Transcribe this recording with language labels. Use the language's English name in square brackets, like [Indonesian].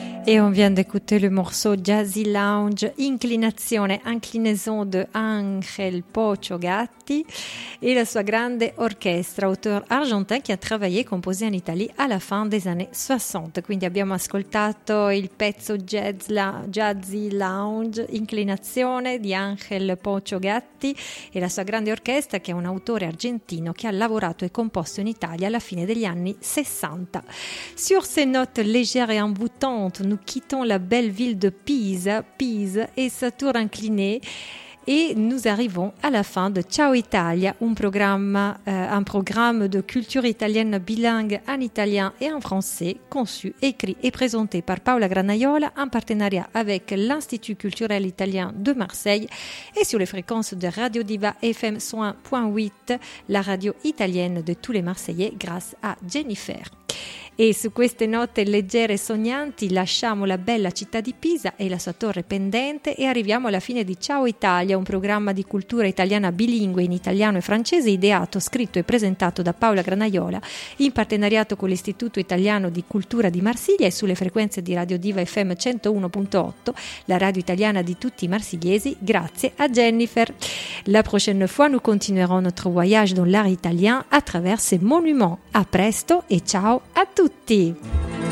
[French] Et on vient d'écouter le morceau Jazzy Lounge, Inclinazione, Inclinaison de Ángel Pocho Gatti et la sua grande orchestra, auteur argentin qui a travaillé e composé en Italie à la fin des années 60. [Italian] Quindi abbiamo ascoltato il pezzo Jazzy Lounge, Inclinazione di Ángel Pocho Gatti e la sua grande orchestra, che è un autore argentino che ha lavorato e composto in Italia alla fine degli anni 60. [French] Sur ces notes légères et envoûtantes, nous quittons la belle ville de Pise et sa tour inclinée. Et nous arrivons à la fin de Ciao Italia, un programme de culture italienne bilingue en italien et en français, conçu, écrit et présenté par Paola Granaiola en partenariat avec l'Institut culturel italien de Marseille et sur les fréquences de Radio Diva FM 101.8, la radio italienne de tous les Marseillais grâce à Jennifer. [Italian] E su queste note leggere e sognanti lasciamo la bella città di Pisa e la sua torre pendente e arriviamo alla fine di Ciao Italia, un programma di cultura italiana bilingue in italiano e francese ideato, scritto e presentato da Paola Granaiola in partenariato con l'Istituto Italiano di Cultura di Marsiglia e sulle frequenze di Radio Diva FM 101.8, la radio italiana di tutti i marsigliesi, grazie a Jennifer. [French] La prochaine fois nous continuerons notre voyage dans l'art italien à travers ces monuments. [Italian] A presto e ciao a tutti!